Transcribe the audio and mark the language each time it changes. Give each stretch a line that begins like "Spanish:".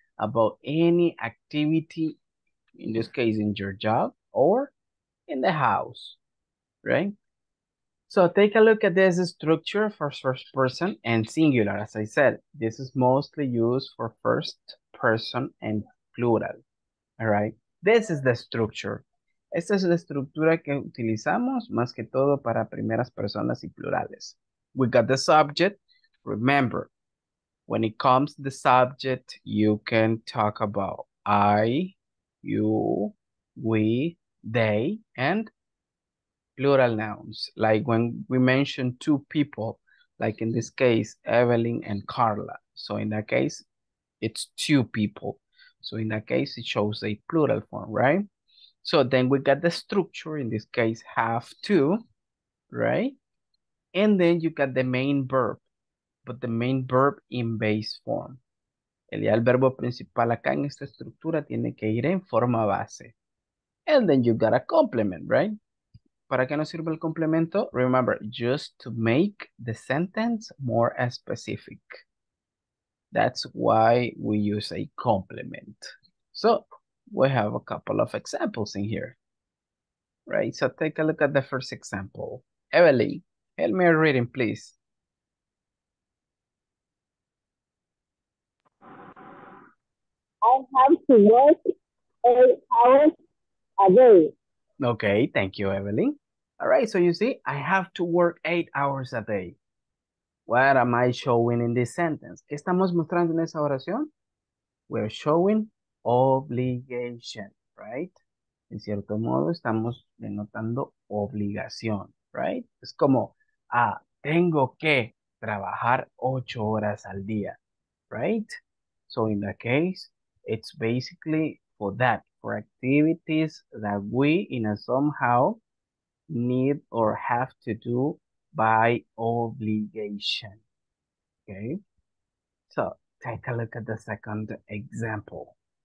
English: About any activity, in this case, in your job or in the house, right? So take a look at this structure for first person and singular. As I said, this is mostly used for first person and plural, all right? This is the structure.
Spanish: Esta es la estructura que utilizamos más que todo para primeras personas y plurales.
English: We got the subject. Remember, when it comes to the subject, you can talk about I, you, we, they, and plural nouns. Like when we mention two people, like in this case, Evelyn and Carla. So in that case, it's two people. So in that case, it shows a plural form, right? So then we got the structure, in this case, have to, right? And then you got the main verb, but the main verb in base form.
Spanish: El verbo principal acá en esta estructura tiene que ir en forma base.
English: And then you got a complement, right?
Spanish: ¿Para qué nos sirve el complemento?
English: Remember, just to make the sentence more specific. That's why we use a complement. So we have a couple of examples in here, right? So take a look at the first example. Evelyn, help me reading, please. I have to work 8 hours a day. Okay, thank you, Evelyn. All right, so you see, I have to work 8 hours a day. What am I showing in this sentence?
Spanish: ¿Qué estamos mostrando en esa oración?
English: We're showing obligation, right?
Spanish: En cierto modo, estamos denotando obligación, right? Es como, tengo que trabajar 8 horas al día, right?
English: So in that case, it's basically for that, for activities that we in a somehow need or have to do by obligation. Okay, so take a look at the second example.